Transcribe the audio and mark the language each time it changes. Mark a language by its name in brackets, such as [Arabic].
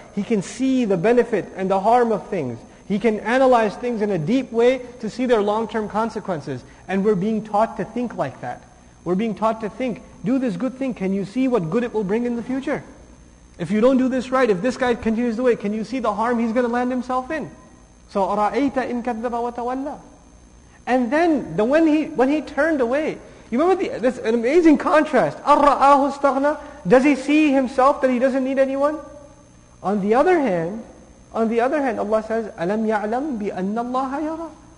[English] He can see the benefit and the harm of things. He can analyze things in a deep way to see their long-term consequences. And we're being taught to think like that. We're being taught to think, do this good thing, can you see what good it will bring in the future? If you don't do this right, if this guy continues the way, can you see the harm he's going to land himself in? So, [Arabic] أَرَأَيْتَ إِن كَذَّبَ وَتَوَلَّى. [English] And then, when he turned away, you remember this amazing contrast, [Arabic] أَرَّآهُ اسْتَغْنَى. [English] Does he see himself that he doesn't need anyone? On the other hand, Allah says, [Arabic] أَلَمْ يَعْلَمْ بِأَنَّ اللَّهَ يَرَى.